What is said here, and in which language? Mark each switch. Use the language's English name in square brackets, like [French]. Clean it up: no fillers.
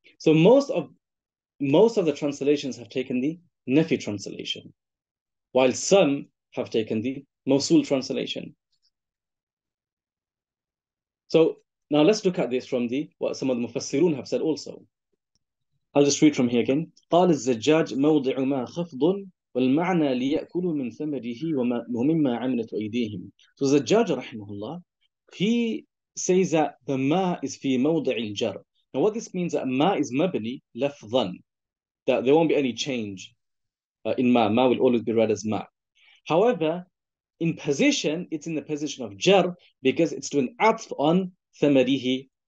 [English] So most of the translations have taken the Nafi translation, while some have taken the Mosul translation. So now let's look at this from the what some of the Mufassirun have said also. I'll just read from here again. [Arabic] قال الزجاج موضع ما خفض والمعنى ليأكلوا من ثمره ومما عملت أيديهم. [English] So Zajjaj rahimahullah, he says that the ma is [Arabic] في موضع الجر. [English] Now what this means, that ma is mabni lafdan, that there won't be any change in ma. Ma will always be read as ma. However, in position, it's in the position of jar because it's doing atf on thamarihi.